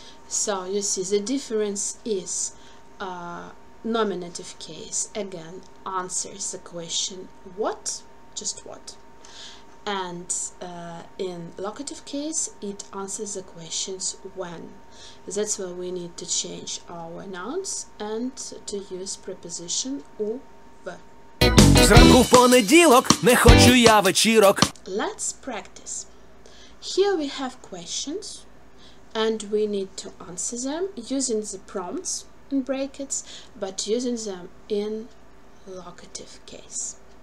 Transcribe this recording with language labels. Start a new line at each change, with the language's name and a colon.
English: So, you see, the difference is nominative case, again, answers the question what, just what. And in locative case, it answers the questions when. That's why we need to change our nouns and to use preposition u, v.
Ukrainian: Зранку в понеділок, не хочу я вечірок.
English: Let's practice. Here we have questions and we need to answer them using the prompts in brackets, but using them in locative case.